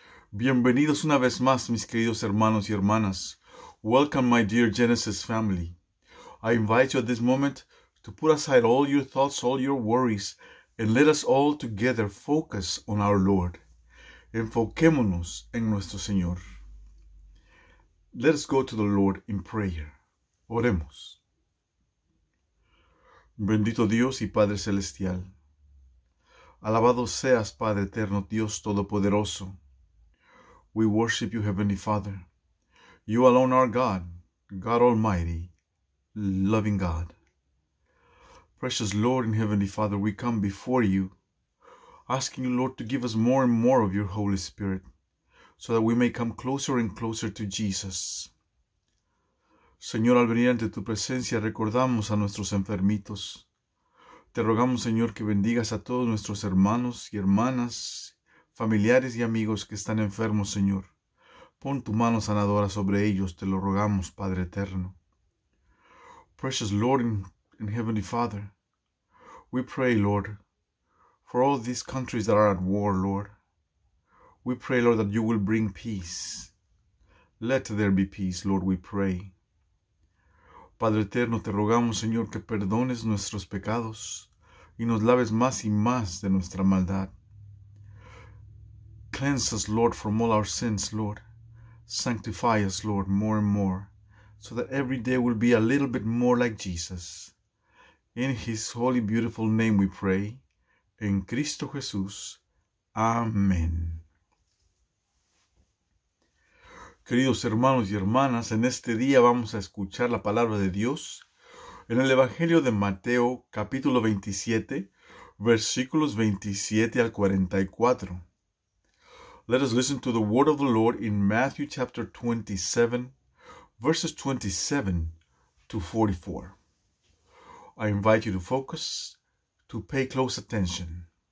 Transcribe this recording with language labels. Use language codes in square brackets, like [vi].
[es] Bienvenidos una vez más, mis queridos hermanos y hermanas. [en] Welcome, my dear Genesis family. I invite you at this moment to put aside all your thoughts, all your worries, and let us all together focus on our Lord. [es] Enfoquémonos en nuestro Señor. [en] Let us go to the Lord in prayer. [es] Oremos. Bendito Dios y Padre Celestial, alabado seas, Padre Eterno, Dios Todopoderoso. [en] We worship you, Heavenly Father. You alone are God, God Almighty, loving God. Precious Lord and Heavenly Father, we come before you, asking you, Lord, to give us more and more of your Holy Spirit, so that we may come closer and closer to Jesus. [es] Señor, al venir ante tu presencia, recordamos a nuestros enfermitos. Te rogamos, Señor, que bendigas a todos nuestros hermanos y hermanas, familiares y amigos que están enfermos, Señor. Pon tu mano sanadora sobre ellos, te lo rogamos, Padre Eterno. [en] Precious Lord and Heavenly Father, we pray, Lord, for all these countries that are at war, Lord. We pray, Lord, that you will bring peace. Let there be peace, Lord, we pray. [es] Padre Eterno, te rogamos, Señor, que perdones nuestros pecados y nos laves más y más de nuestra maldad. [en] Cleanse us, Lord, from all our sins, Lord. Sanctify us, Lord, more and more, so that every day will be a little bit more like Jesus. In his holy, beautiful name we pray, [es] en Cristo Jesús. Amén. Queridos hermanos y hermanas, en este día vamos a escuchar la palabra de Dios en el Evangelio de Mateo, capítulo 27, versículos 27 al 44. [en] Let us listen to the word of the Lord in Matthew chapter 27, verses 27 to 44. I invite you to focus, to pay close attention.